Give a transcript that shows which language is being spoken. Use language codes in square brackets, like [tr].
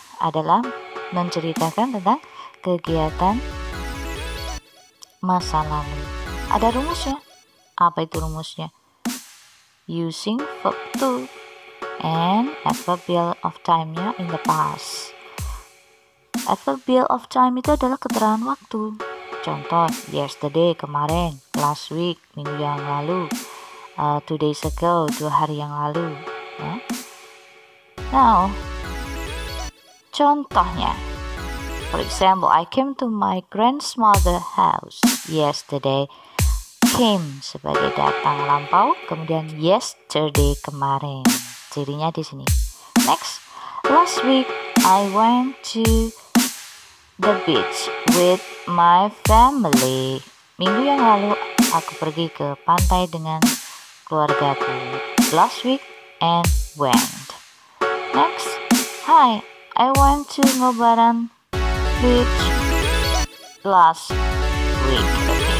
[id] Adalah menceritakan tentang kegiatan masa lalu. Ada rumusnya. Apa itu rumusnya? [en] Using verb to and adverbial of time-nya in the past. [id] Adverbial of time itu adalah keterangan waktu. Contoh, yesterday, kemarin, [en] last week, [id] minggu yang lalu, [en] 2 days ago, [id] 2 hari yang lalu. [en] Now, contohnya. For example, I came to my grandmother's house yesterday. [id] Came sebagai datang lampau, kemudian yesterday, kemarin. Cirinya di sini. [en] Next, last week, I went to the beach with my family. [id] Minggu yang lalu aku pergi ke pantai dengan keluargaku. [en] Last week and went. Next, hi, I went to Ngobaran beach last week.